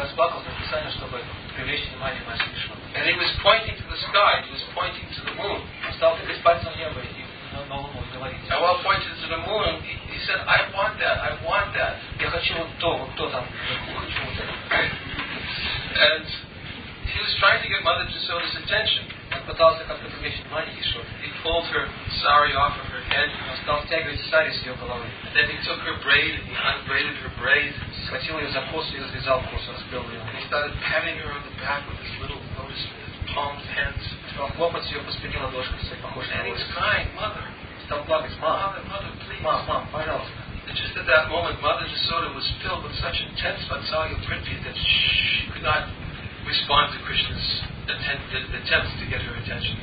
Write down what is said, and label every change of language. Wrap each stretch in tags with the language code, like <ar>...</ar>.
<en>And he was pointing to the sky, he was pointing to the moon. And while pointing to the moon, he said, I want that, I want that.</en> <ru>Я хочу вот то, вот то там.</ru> <en>And he was trying to get Mother Jasoda's attention.</en> <ru>Он пытался как-то привлечь внимание ещё.</ru> <en>He pulled her sari off of her head.</en> <ru>Он стал стягивать сари с её головы.</ru> <en>And then he took her braid and he unbraided her braid.</en> <ru>Схватил её за косу и развязал косу, разбил её.</ru> <en>He started patting her on the back with his little lotus palm hands.</en> <ru>Стал хлопать её по спине ладошкой, с ней похож на лотос.</ru> <en>And he was crying, Mother.</en> <ru>Стал плакать,</ru> <en>Mother, please.</en> <ru>Мам, пожалуйста.</ru> <en>Just at that moment, Mother Jasoda was filled with such intense vatsalya pritti that she could not respond to Krishna's attempts to get her attention.</en>